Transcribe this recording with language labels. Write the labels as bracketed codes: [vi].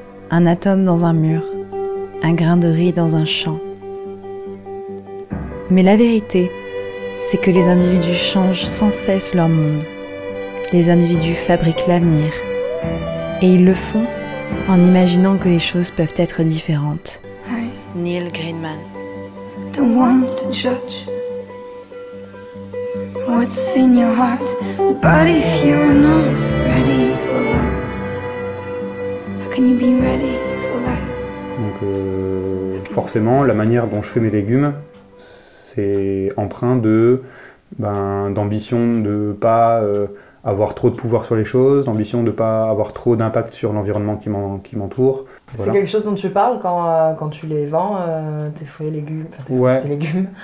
[fr] Un atome dans un mur, un grain de riz dans un champ. Mais la vérité, c'est que les individus changent sans cesse leur monde. Les individus fabriquent l'avenir. Et ils le font en imaginant que les choses peuvent être différentes. Oui. Neil Greenman. [en] The ones to judge what's in your heart, but if you're not ready for love, how can you be ready for life? [fr] Donc forcément la manière dont je fais mes légumes c'est empreint de d'ambition de pas avoir trop de pouvoir sur les choses, l'ambition de ne pas avoir trop d'impact sur l'environnement qui m'entoure. Voilà. C'est quelque chose dont tu parles quand tu les vends, tes fruits et légumes, tes légumes,